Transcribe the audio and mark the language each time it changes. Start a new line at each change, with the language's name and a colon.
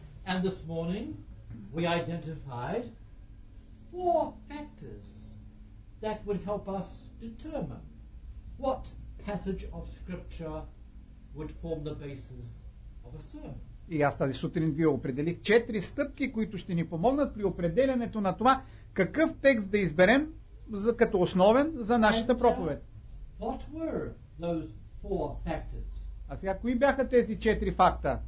English: And this morning we identified four factors that would help us determine what passage of scripture would form the basis of a sermon.
Bulgarian: И аз тази сутрин ви определих четири стъпки, които ще ни помогнат при определянето на това какъв текст да изберем като основен за нашата проповед.
English: What were those four factors?
Bulgarian: А сега, кои бяха тези четири факта?